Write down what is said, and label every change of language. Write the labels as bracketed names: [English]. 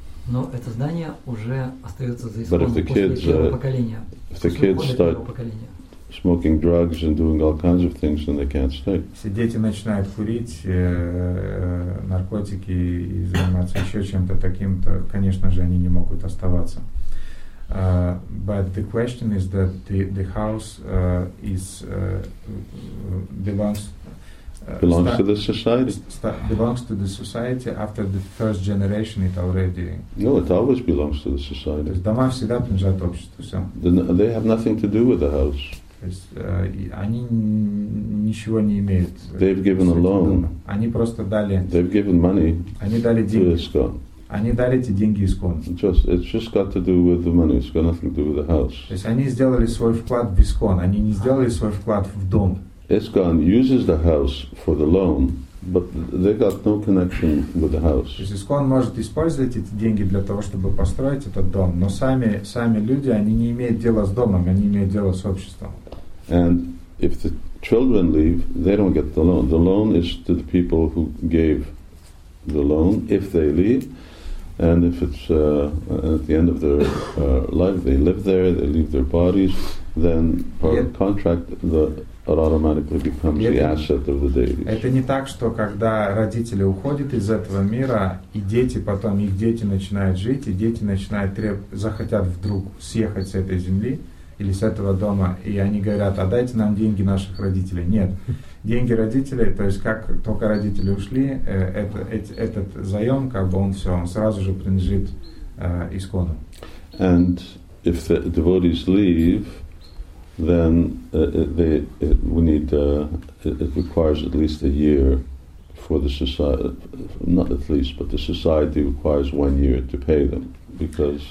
[Russian] Но это здание уже остается за исконом после первого поколения. [English] If the kids start smoking drugs and doing all kinds of things, then they can't stay. [Russian] Если дети начинают курить наркотики и заниматься еще чем-то таким, то, конечно же, они не могут оставаться. [English] But the question is that the house is belongs to the society. Belongs to the society after the first generation. It already. No, it always belongs to the society. [Russian] Дома всегда принадлежат обществу. Все. [English] They have nothing to do with the house. [Russian] Они ничего не имеют. [English] They've given a loan. [Russian] Они просто дали. [English] They've given money. [Russian] Они дали деньги. Они дали эти деньги ИСКОН. [English] It's just got to do with the money. It's got nothing to do with the house. [Russian] То есть они сделали свой вклад в ИСКОН. Они не сделали свой вклад в дом. [English] ISKCON uses the house for the loan, but they got no connection with the house. [Russian] То есть ИСКОН может использовать эти деньги для того, чтобы построить этот дом, но сами люди, они не имеют дела с домом, они имеют дело с обществом. [English] And if the children leave, they don't get the loan. The loan is to the people who gave the loan, if they leave. And if it's at the end of their life, they live there, they leave their bodies, then part of the contract that automatically becomes the asset of the deities. [Russian] Это не так, что когда родители уходят из этого мира, и дети потом, их дети начинают жить, и дети начинают захотят вдруг съехать с этой земли или с этого дома, и они говорят, отдайте нам деньги наших родителей. Нет. Деньги родителей, то есть как только родители ушли, этот заем, как бы он все, он сразу же принадлежит ИСКОНу. [English] And if the devotees leave, then it requires at least a year for the society, not at least, but the society requires 1 year to pay them, because